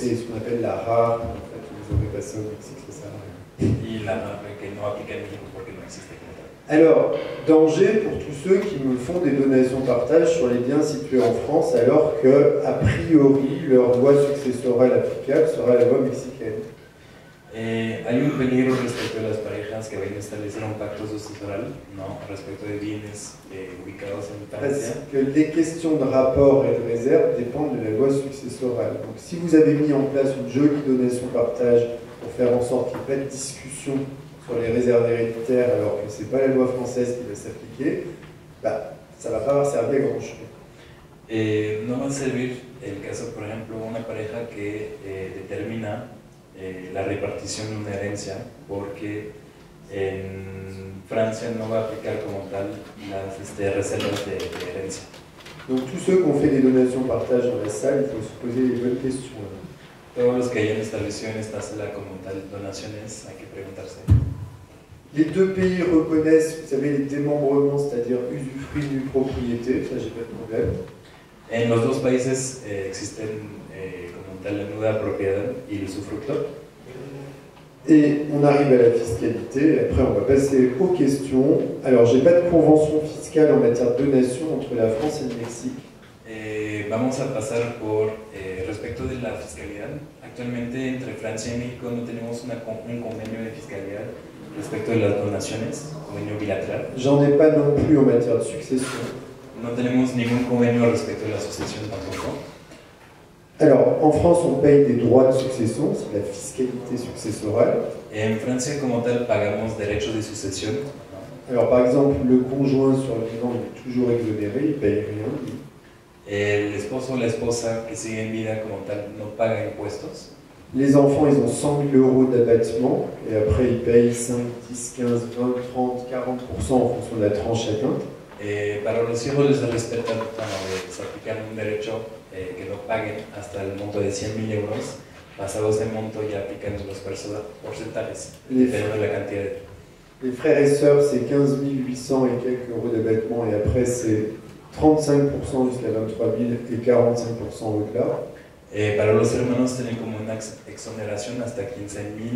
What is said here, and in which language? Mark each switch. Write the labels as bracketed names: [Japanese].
[French] Et ce qu'on appelle la rare, en fait, vous avez passé au Mexique, c'est ça. Et la rare qui n'est pas appliquée au Mexique, parce qu'elle n'existe pas. Alors, danger pour tous ceux qui me font des donations partage sur les biens situés en France, alors que, a priori, leur voie successorale applicable sera la voie mexicaine. [Spanish] Hay un peligro respecto a las parejas que vayan a establecer un pacto sucesoral, ¿no? Respecto de bienes ubicados en Francia. [French] Parce que les questions de rapport et de réserve dépendent de la loi successorale. Donc, si vous avez mis en place une jolie donation partage pour faire en sorte qu'il n'y ait pas de discussion sur les réserves héréditaires alors que ce n'est pas la loi française qui va s'appliquer, bah, ça ne va pas servir à grand-chose. [Spanish] No va a servir el caso, por ejemplo, una pareja que determina la repartición de una herencia, porque en Francia no va a aplicar como tal las reservas de herencia. [French] Donc, tous ceux qui ont fait des donations partage en la salle, il faut se poser les bonnes questions. Hein. [Spanish] Todos los que hayan establecido en esta sala como tal donaciones, hay que preguntarse. [French] Les deux pays reconnaissent, vous savez, les démembrements, c'est-à-dire usufruit d'une propriété, ça, j'ai pas de problème. [Spanish] En los dos países existen como tal la nueva propiedad y el usufructo. [French] Et on arrive à la fiscalité, après on va passer aux questions. Alors, j'ai pas de convention fiscale en matière de donation entre la France et le Mexique. [Spanish] Vamos a pasar por respecto de la fiscalidad. Actualmente, entre Francia y México no tenemos un convenio de fiscalidad respecto de las donaciones, convenio bilateral. [French] J'en ai pas non plus en matière de succession. [Spanish] No tenemos ningún convenio respecto de la sucesión tampoco. [French] Alors, en France, on paye des droits de succession, c'est la fiscalité successorale. Et en France, comme tel, [Spanish] pagamos derechos de sucesión. [French] Alors, par exemple, le conjoint sur le vivant est toujours exonéré, il ne paye rien. [Spanish] El esposo o la esposa que sigue en vida como tal no paga impuestos. [French] Les enfants, ils ont 100 000 euros d'abattement et après ils payent 5, 10, 15, 20, 30, 40% en fonction de la tranche atteinte. [Spanish] Et para los hijos les respetan, bueno, les aplican un derecho que no paguen hasta el monto de 100 000 euros. Pasado ese monto ya aplican los porcentajes, dependiendo de la cantidad. [French] Les frères et sœurs, c'est 15 800 et quelques euros d'abattement et après c'est 35% jusqu'à 23 000 et 45% au-delà. [Spanish] Et para los hermanos tienen como una exoneración hasta 15 000.